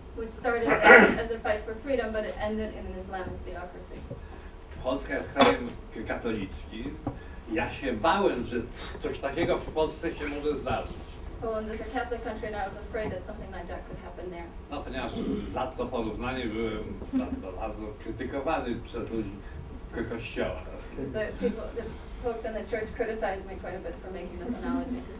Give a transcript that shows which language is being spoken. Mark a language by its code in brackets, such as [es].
[en] Which started as a fight for freedom, but it ended in an Islamist theocracy. [pl] Polska jest krajem katolickim. Ja się bałem, że coś takiego w Polsce się może zdarzyć. [en] Poland is a Catholic country and I was afraid that something like that could happen there. [pl] No, ponieważ za to porównanie byłem bardzo krytykowany przez ludzi Kościoła. [en] The folks in the church criticized me quite a bit for making this analogy.